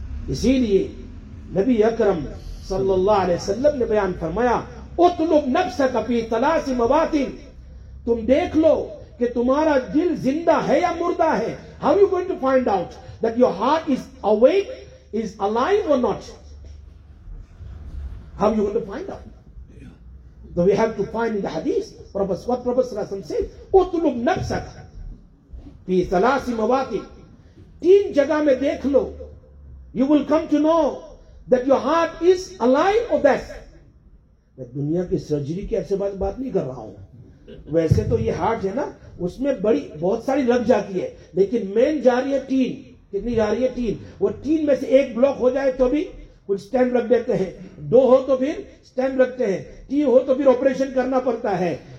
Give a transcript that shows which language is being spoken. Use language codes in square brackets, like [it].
[hi] इसीलिए नबी अकरम सल्लल्लाहु अलैहि वसल्लम ने बयान फरमाया [ar] उतलुब नफ्सक फी तलाशी मवातिन, [hi] तुम देख लो कि तुम्हारा दिल जिंदा है या मुर्दा है। [en] how you going to find out that your heart is awake is alive or not, how you going to find out, so we have to find in the hadith prophet, what prophet rasul said [ar] utlub nafsak fi thalasi mawati, [hi] teen jagah mein dekh lo, [en] you will come to know that your heart is alive or dead. [hi] Main duniya ki surgery ki aise baat nahi kar raha hu, वैसे तो ये heart है ना उसमें बड़ी बहुत सारी लग जाती है, लेकिन main जा रही है teen, कितनी जा रही है teen, वो teen में से एक block हो जाए तो भी कुछ स्टैंप रख देते हैं, दो हो तो फिर स्टैंप रखते हैं, तीन हो तो फिर ऑपरेशन करना पड़ता है।